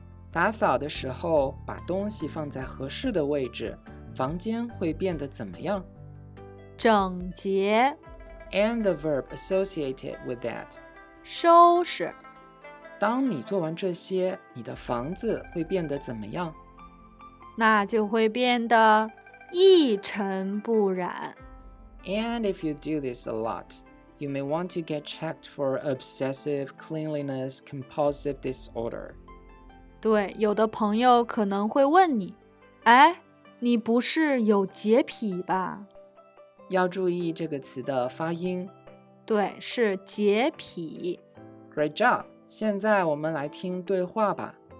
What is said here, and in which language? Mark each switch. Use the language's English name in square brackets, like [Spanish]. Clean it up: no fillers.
[Chinese] 打扫的时候，把东西放在合适的位置，房间会变得怎么样？整洁。 [English] And the verb associated with that. [Chinese] 收拾。当你做完这些，你的房子会变得怎么样？那就会变得一尘不染。 [English] And if you do this a lot, you may want to get checked for obsessive cleanliness compulsive disorder. [Chinese] 对，有的朋友可能会问你，哎，你不是有洁癖吧？要注意这个词的发音。对，是洁癖。 [English] Great job! [Chinese] 现在我们来听对话吧。